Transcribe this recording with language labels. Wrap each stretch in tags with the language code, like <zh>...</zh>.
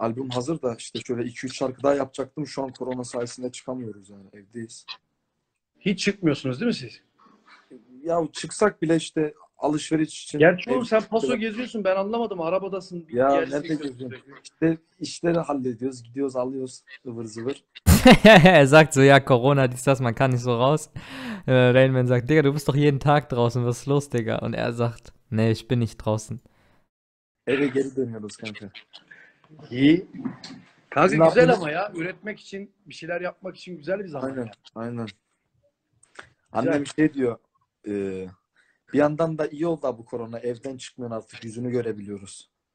<tr>Albüm hazır da işte şöyle 2-3 şarkı daha yapacaktım. Şu an korona sayesinde çıkamıyoruz yani evdeyiz. Hiç çıkmıyorsunuz değil mi siz? Ya çıksak bile işte alışveriş için. Gerçi oğlum sen paso geziyorsun ben anlamadım arabadasın. Ya nerede geziyorsun? İşte işleri hallediyoruz gidiyoruz alıyoruz ıvır zıvır.</tr> <de>Er sagt so ja Corona distas man kann nicht so raus. Rain Man sagt Digga du bist doch jeden Tag draußen was ist los Digga und er sagt ne ich bin nicht draußen.</de> <tr>Eve geri dönüyoruz kanka. İyi. Kanka güzel yapıyorsun? Ama ya üretmek için bir şeyler yapmak için güzel bir zaman. Aynen. Annem şey diyor. Bir yandan da iyi oldu bu korona. Evden çıkmıyorsun artık. Yüzünü görebiliyoruz.</tr>